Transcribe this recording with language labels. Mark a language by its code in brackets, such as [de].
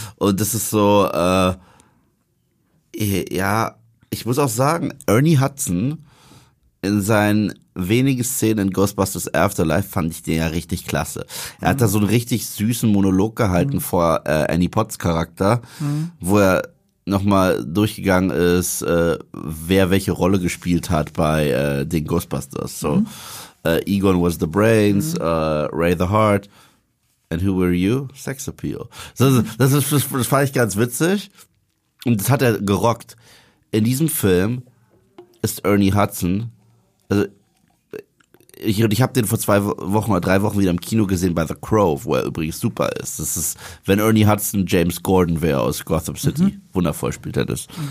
[de] Und das ist so, ich muss auch sagen, Ernie Hudson in seinen wenige Szenen in Ghostbusters Afterlife fand ich den ja richtig klasse. Er hat da so einen richtig süßen Monolog gehalten vor Annie Potts Charakter, wo er nochmal durchgegangen ist, wer welche Rolle gespielt hat bei den Ghostbusters. [en] So, Egon was the brains, Ray the heart, and who were you? Sex appeal. [de] So, das fand ich ganz witzig. Und das hat er gerockt. In diesem Film ist Ernie Hudson, also Ich habe den vor 2 Wochen oder 3 Wochen wieder im Kino gesehen bei The Crow, wo er übrigens super ist. Das ist, wenn Ernie Hudson James Gordon wäre aus Gotham City. Wundervoll spielt er das.